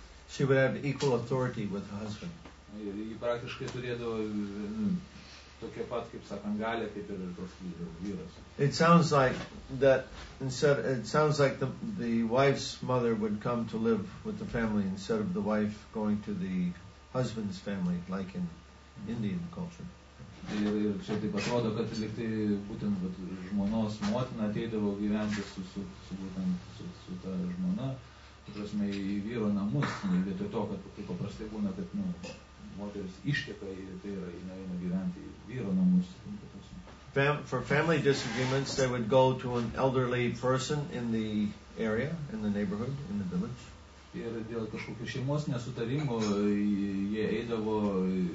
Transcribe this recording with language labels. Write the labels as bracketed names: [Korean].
[English] she would have equal authority with her husband. [Lithuanian] Ir ji praktiškai turėdavo tokia pat, kaip sakant, galia, kaip ir tos vyras. [English] It sounds like that instead, it sounds like the wife's mother would come to live with the family instead of the wife going to the husband's family, like in Indian culture. [Lithuanian] Ir čia taip atrodo, kad liktai būtent vat, žmonos motina ateidavo gyventi su būtent su ta žmona, tai prasme, į vyro namus, vietoj to, kad tai paprastai būna, kad, nu, moteris išteka ir tai yra, jinai eina gyventi į vyro namus. [English] For family disagreements, they would go to an elderly person in the area, in the neighborhood, in the village. [Lithuanian] Ir dėl kažkokio šeimos nesutarimo jie eidavo.